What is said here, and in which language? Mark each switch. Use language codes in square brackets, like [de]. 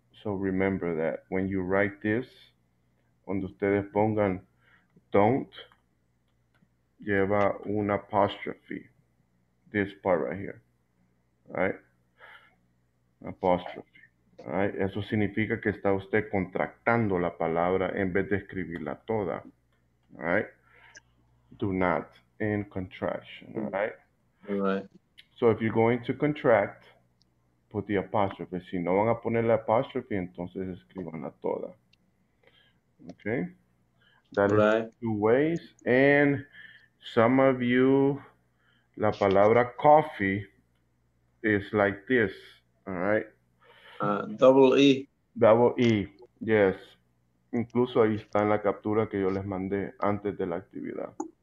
[en] So remember that when you write this, [es] cuando ustedes pongan [en] don't, [es] lleva un apostrophe, [en] this part right here, right? Apostrophe, right? [es] Eso significa que está usted contractando la palabra en vez de escribirla toda, right? [en] Do not in contraction, right? Right. So if you're going to contract, put the apostrophe. [es] Si no van a poner la apostrophe, entonces escribanla toda. Okay. That [en] right. Is two ways. And some of you, [es] la palabra [en] coffee is like this. All right. Double E. [es] Bravo, y yes. Incluso ahí está en la captura que yo les mandé antes de la actividad.